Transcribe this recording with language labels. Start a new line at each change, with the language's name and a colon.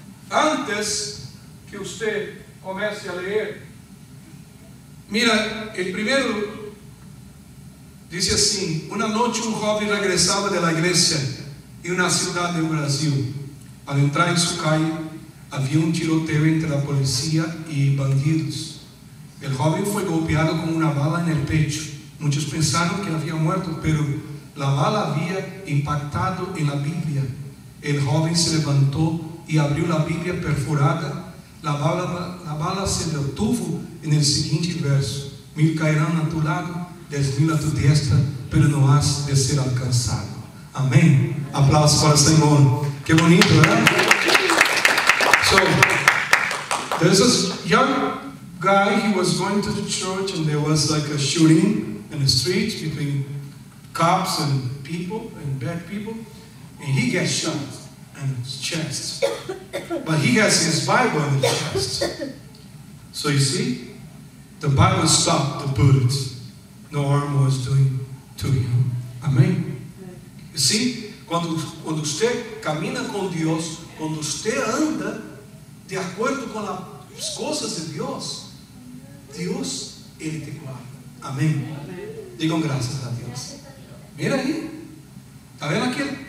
Portuguese: Antes que você comece a ler, mira, o primeiro diz assim: uma noite um jovem regressava da igreja em uma cidade do Brasil.
Spanish: Al entrar en su calle, había un tiroteo entre la policía y bandidos. El joven fue golpeado con una bala en el pecho. Muchos pensaron que había muerto, pero la bala había impactado en la Biblia. El joven se levantó y abrió la Biblia perforada. La bala se detuvo en el siguiente verso: mil caerán a tu lado, 10,000 a tu diestra, pero no has de ser alcanzado. Amén. Aplausos para el Señor. Que bonito, né?
English: So, there's this young guy, he was going to the church and there was like a shooting in the street between cops and people, and bad people. And he gets shot in his chest. But he has his Bible in his chest. So you see, the Bible stopped the bullets. No harm was doing to him. Amém? You see?
Portuguese: Quando você caminha com Deus, quando você anda de acordo com as coisas de Deus, Deus, Ele te guarda. Amém. Digam graças a Deus. Mira aí. Está vendo aqui?